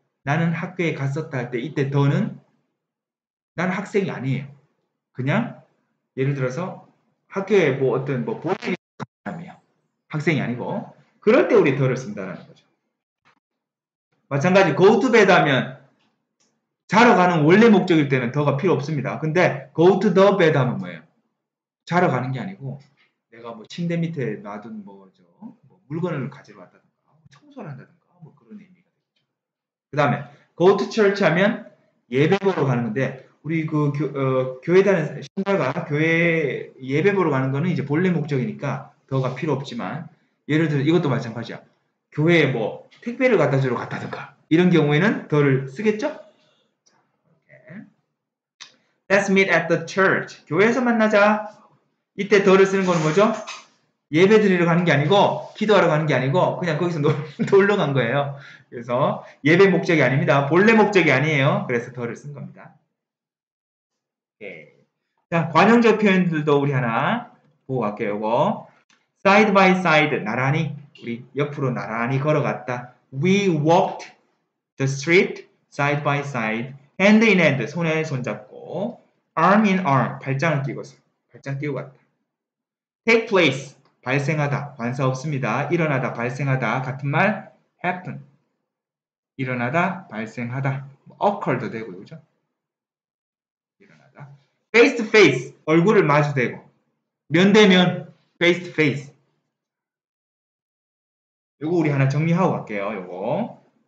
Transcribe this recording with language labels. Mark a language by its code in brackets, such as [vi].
[ko] 나는 학교에 갔었다 할 때, 이때 더는 난 학생이 아니에요. 그냥 예를 들어서 학교에 뭐 어떤 뭐 보내는 사람이에요. 학생이 아니고 그럴 때 우리 덜을 쓴다는 거죠. 마찬가지 go to bed 하면 자러 가는 원래 목적일 때는 더가 필요 없습니다. 근데 [en] go to the bed [ko] 하면 뭐예요? 자러 가는 게 아니고 내가 뭐 침대 밑에 놔둔 뭐죠? 뭐 물건을 가지러 왔다든가 청소를 한다든가 뭐 그런 의미가 되겠죠. 그다음에 go to church 하면 예배 보러 가는데 우리 그 교회 다니는 신자가 교회 예배 보러 가는 거는 이제 본래 목적이니까 더가 필요 없지만 예를 들어 이것도 마찬가지야. 교회에 뭐 택배를 갖다 주러 갔다든가 이런 경우에는 더를 쓰겠죠? [en] Let's meet at the church. [ko] 교회에서 만나자. 이때 더를 쓰는 거는 뭐죠? 예배 드리러 가는 게 아니고 기도하러 가는 게 아니고 그냥 거기서 놀러 간 거예요. 그래서 예배 목적이 아닙니다. 본래 목적이 아니에요. 그래서 더를 쓴 겁니다. 예. 자, 관용적 표현들도 우리 하나 보고 갈게요. 요거. [en] side by side, [ko] 나란히, 우리 옆으로 나란히 걸어갔다. [en] We walked the street side by side, hand in hand, 손에 손잡고, arm in arm, [ko] 발짱을 끼고서, 발짱 끼고 갔다. take place, 발생하다, 관사 없습니다. 일어나다, 발생하다, 같은 말, happen. 일어나다, 발생하다, occur도 되고, 그죠? face to face, 얼굴을 마주 대고, 면대면, face to face. 요거 우리 하나 정리하고 갈게요, 요거.